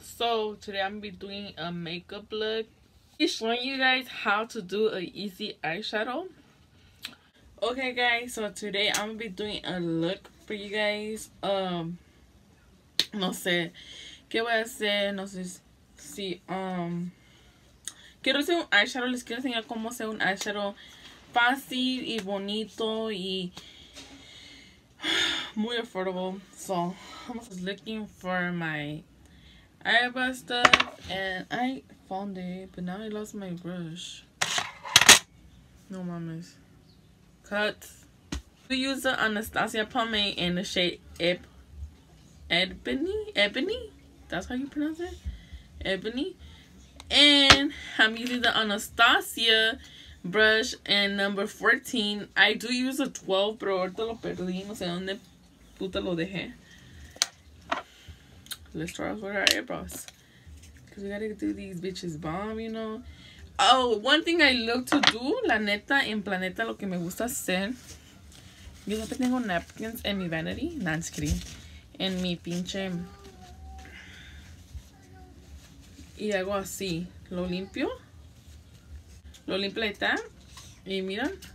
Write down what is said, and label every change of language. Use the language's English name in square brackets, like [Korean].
[English] So today I'm gonna be doing a makeup look. Be showing you guys how to do an easy eyeshadow. Okay guys, so today I'm gonna be doing a look for you guys. [Spanish] Quiero hacer un eyeshadow, les quiero enseñar cómo hacer un eyeshadow fácil y bonito y muy affordable. [English] So I'm just looking for my eyebrow stuff and I found it, but now I lost my brush. [Spanish] No mames. [English] Cut. We use the Anastasia pomade in the shade Ebony? That's how you pronounce it? Ebony. And I'm using the Anastasia brush in number 14. I do use a 12, [Spanish] pero ahorita lo perdí. No sé dónde puta lo dejé. [English] Let's try out our eyebrows. Because we gotta do these bitches bomb, you know. Oh, one thing I love to do, [Spanish] la neta, en planeta, lo que me gusta hacer. Yo siempre tengo napkins en mi vanity. [English] No, I'm just kidding. [Spanish] En mi pinche. Y hago así. Lo limpio. Lo limpio ahí está. Y mira.